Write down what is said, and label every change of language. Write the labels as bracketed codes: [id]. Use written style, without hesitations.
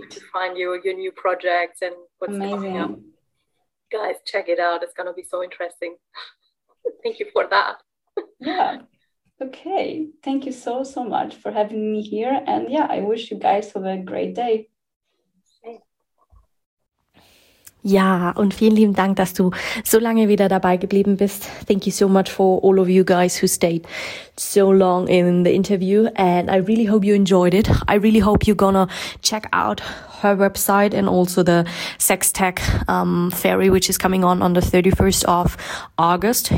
[en] Box to find your new projects and what's amazing. Coming up. Guys, check it out. It's gonna be so interesting. Thank you for that. Yeah. Okay. Thank you so much for having me here. And yeah, I wish you guys have a great day. [de] Ja, und vielen lieben Dank, dass du so lange wieder dabei geblieben bist. [en] Thank you so much for all of you guys who stayed so long in the interview. And I really hope you enjoyed it. I really hope you're gonna check out her website and also the Sex Tech Fairy, which is coming on the 31st of August.